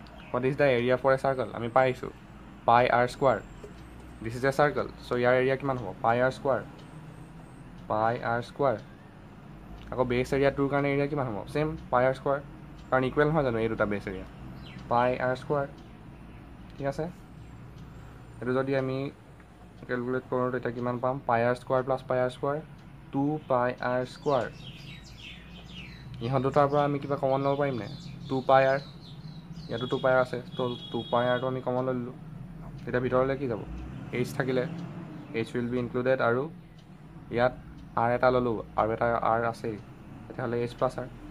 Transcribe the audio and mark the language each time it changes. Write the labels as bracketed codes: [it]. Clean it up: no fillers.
[en] What is the area for a circle? [as] আমি পাই আহিছোঁ [en] pi r square, this is a circle, so' [as] year area কিমান হ'ব? পাই আৰ স্কুৱাৰ, পাই আৰ স্কুৱাৰ। আকৌ বেছ এৰিয়া টুৰ কাৰণে এৰিয়া কিমান হ'ব? ছেম পাই আৰ স্কুৱাৰ, কাৰণ ইকুৱেল নহয় জানো এই দুটা বেছ এৰিয়া, পাই আৰ স্কুৱাৰ, ঠিক আছে? সেইটো যদি আমি কেলকুলেট কৰোঁ, তেতিয়া কিমান পাম? [en] Pi r square plus pi r square, two pi r square. [as] ইহঁত দুটাৰ পৰা আমি কিবা কমন ল'ব পাৰিম নে? টু পাই আৰ, ইয়াতো টু পাই আৰ আছে, ত' টু পাই আৰটো আমি কমন লৈ ল'লোঁ। তেতিয়া ভিতৰলৈ কি যাব? এইচ থাকিলে, [en] h will be included, [as] আৰু ইয়াত আৰ এটা ল'লোঁ, আৰু এটা আৰ আছেই, তেতিয়াহ'লে এইচ প্লাছ আৰ।